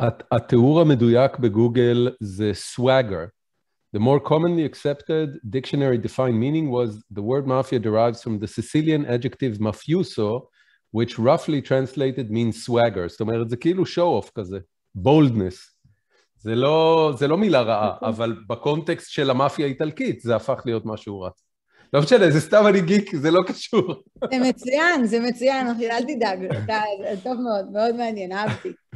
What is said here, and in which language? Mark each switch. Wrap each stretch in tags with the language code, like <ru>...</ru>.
<he>התיאור המדויק בגוגל זה swagger.</he> <en>The more commonly accepted dictionary defined meaning was the word mafia derives from the Sicilian adjective mafioso, which roughly translated means swagger.</en> <he>זאת אומרת, זה כאילו show-off כזה, boldness. זה לא מילה רעה, אבל בקונטקסט של המאפיה האיטלקית, זה הפך להיות משהו רע. לא משנה, זה סתם אני גיק, זה לא קשור. זה מצוין, זה מצוין, אל תדאג, טוב מאוד, מאוד מעניין, אהבתי.</he>